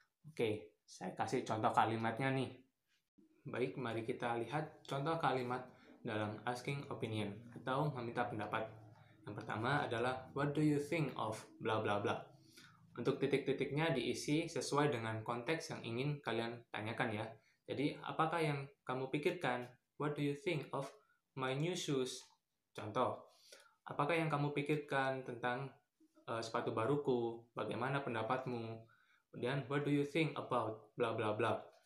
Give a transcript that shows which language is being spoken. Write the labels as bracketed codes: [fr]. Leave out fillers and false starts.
[id] Oke, saya kasih contoh kalimatnya nih. Baik, mari kita lihat contoh kalimat dalam asking opinion atau meminta pendapat. Yang pertama adalah, what do you think of bla bla bla? Untuk titik-titiknya diisi sesuai dengan konteks yang ingin kalian tanyakan ya. Jadi, apakah yang kamu pikirkan? [en] What do you think of my new shoes? [id] Contoh, apakah yang kamu pikirkan tentang sepatu baruku? Bagaimana pendapatmu? Kemudian, what do you think about bla bla bla?